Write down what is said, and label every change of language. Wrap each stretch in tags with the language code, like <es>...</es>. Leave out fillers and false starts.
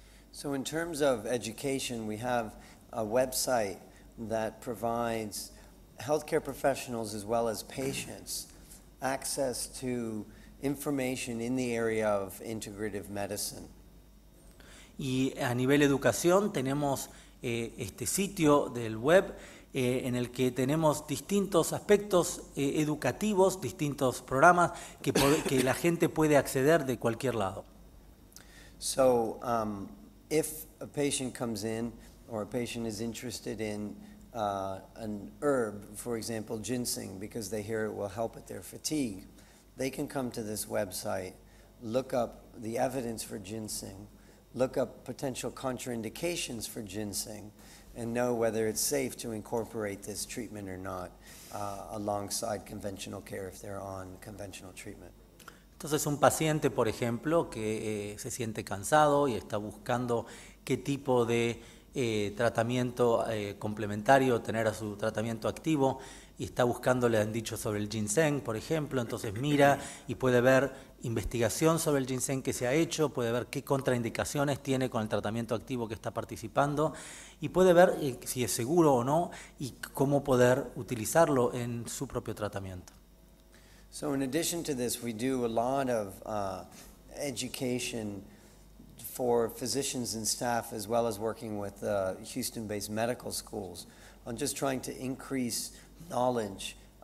<en>So in terms of education, we have a website that provides healthcare professionals as well as patients access to information in the area of integrative medicine.</en> <es>Y a nivel educación tenemos este sitio del web en el que tenemos distintos aspectos educativos, distintos programas que la gente puede acceder de cualquier lado.</es> <en>So if a patient comes in or a patient is interested in an herb, for example, ginseng, because they hear it will help with their fatigue, they can come to this website, look up the evidence for ginseng, look up potential contraindications for ginseng, and know whether it's safe to incorporate this treatment or not alongside conventional care if they're on conventional treatment.</en> <es>Entonces un paciente, por ejemplo, que se siente cansado y está buscando qué tipo de tratamiento complementario tener a su tratamiento activo y está buscando, le han dicho, sobre el ginseng, por ejemplo, entonces mira y puede ver investigación sobre el ginseng que se ha hecho, puede ver qué contraindicaciones tiene con el tratamiento activo que está participando y puede ver si es seguro o no y cómo poder utilizarlo en su propio tratamiento.</es> <en>So in addition to this, we do a lot of education for physicians and staff, as well as working with Houston-based medical schools on just trying to increase knowledge</en>